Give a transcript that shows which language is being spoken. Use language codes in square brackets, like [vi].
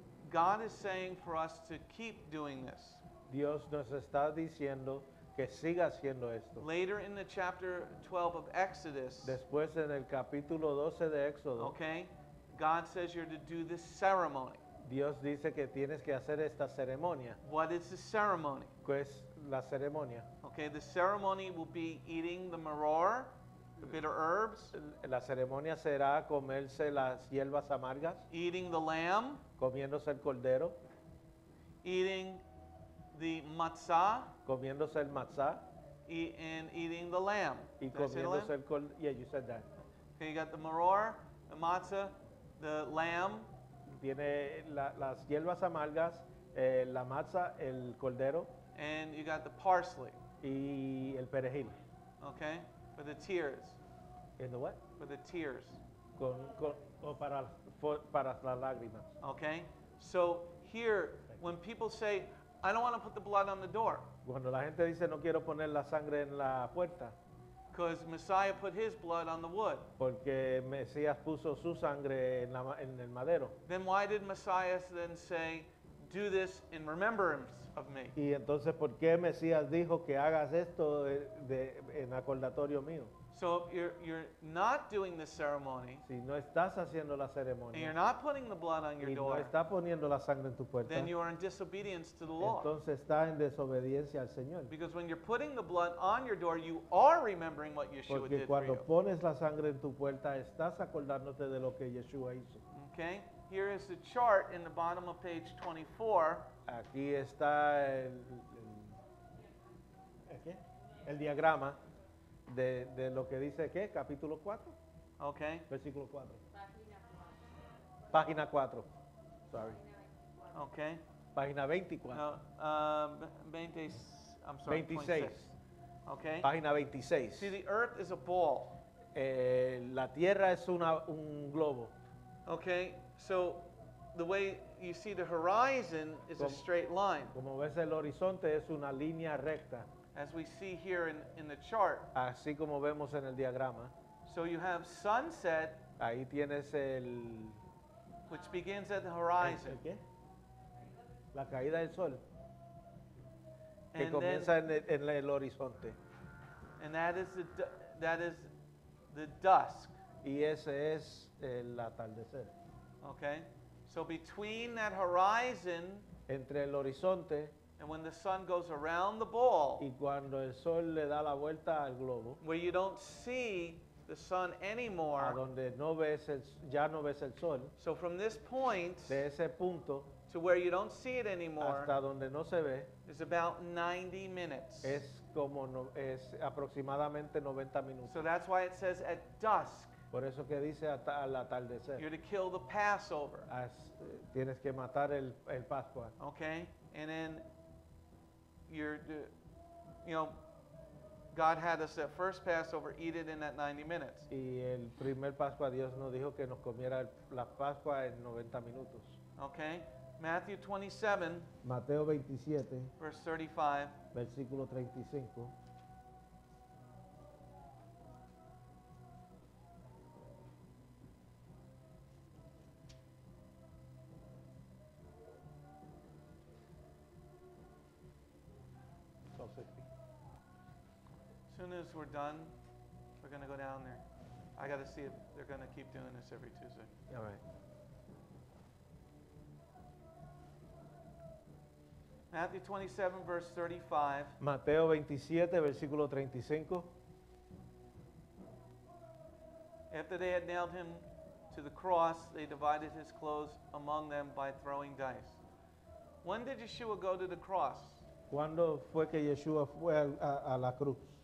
[en] God is saying for us to keep doing this. [es] Dios nos está diciendo que siga haciendo esto. [en] Later in the chapter 12 of Exodus. [es] Después en el capítulo 12 de Éxodo. [en] Okay. God says you're to do this ceremony. [es] Dios dice que tienes que hacer esta ceremonia. [en] What is the ceremony? [es] ¿Qué es la ceremonia? [en] Okay, the ceremony will be eating the maror, the bitter herbs. [es] La ceremonia será comerse las hierbas amargas. [en] Eating the lamb. [es] Comiéndose el cordero. [en] Eating the matzah. [es] Comiéndose el matzah. [en] And eating the lamb. [es] Y comiéndose el cordero. [en] Yeah, you said that. Okay, you got the maror, the matzah, the lamb. [es] Tiene las hierbas amargas, la matzah, el cordero. [en] And you got the parsley. [es] Y el perejil. [en] Okay, for the tears. And the what? For the tears. [es] Para las lágrimas. [en] Okay, so here, when people say, I don't want to put the blood on the door. [es] Cuando la gente dice, no quiero poner la sangre en la puerta. [en] Because Messiah put his blood on the wood. [es] Porque Mesías puso su sangre en el madero. [en] Then why did Messiah then say, do this in remembrance of me? [es] Y entonces, ¿por qué Mesías dijo que hagas esto en acordatorio mío? [en] So if you're not doing the ceremony, [es] si no estás haciendo la ceremonia, [en] and you're not putting the blood on your door, [es] y no está poniendo la sangre en tu puerta, [en] then you are in disobedience to the law. [es] Entonces está en desobediencia al Señor. [en] Because when you're putting the blood on your door, you are remembering what Yeshua [es] Porque [en] did [es] cuando [en] for you. [es] Pones la sangre en tu puerta, estás acordándote de lo que Yeshua hizo. [en] Okay? Here is the chart in the bottom of page 24. [es] Aquí está el diagrama de lo que dice qué, capítulo 4. [en] Okay. [es] Versículo 4. Página [en] 4. Sorry. Okay. [es] Página 24. [en] I'm sorry. 26. Okay. [es] Página 26. [en] See, the earth is a ball. [es] La tierra es un globo. [en] Okay. So the way you see the horizon is a straight line. [es] Como ves el horizonte es una línea recta. [en] As we see here in the chart. [es] Así como vemos en el diagrama. [en] So you have sunset. [es] Ahí tienes el [en] which begins at the horizon. [es] ¿El qué? La caída del sol. Que comienza en el horizonte. [en] And that is the dusk. [es] Y ese es el atardecer. [en] Okay, so between that horizon, [es] entre el horizonte, [en] and when the sun goes around the ball, [es] y cuando el sol le da la vuelta al globo, [en] where you don't see the sun anymore, [es] a donde no ves ya no ves el sol, [en] so from this point, [es] de ese punto, [en] to where you don't see it anymore, [es] hasta donde no se ve, [en] is about 90 minutes. [es] Es como es aproximadamente 90 minutos. [en] So that's why it says at dusk. [es] Por eso que dice al atardecer. [en] You're to kill the Passover. [es] Tienes que matar el Pascua. [en] Okay, and then you're, you know, God had us at first Passover eat it in that 90 minutes. [es] Y el primer Pascua Dios nos dijo que nos comiera la Pascua en 90 minutos. [en] Okay, Matthew 27. [es] Mateo 27. [en] Verse 35. [es] Versículo 35. [en] As soon as we're done, we're going to go down there. I got to see if they're going to keep doing this every Tuesday. All right. Matthew 27, verse 35. [es] Mateo 27, versículo 35. [en] After they had nailed him to the cross, they divided his clothes among them by throwing dice. When did Yeshua go to the cross? [es] ¿Cuándo fue que Yeshua fue a la cruz?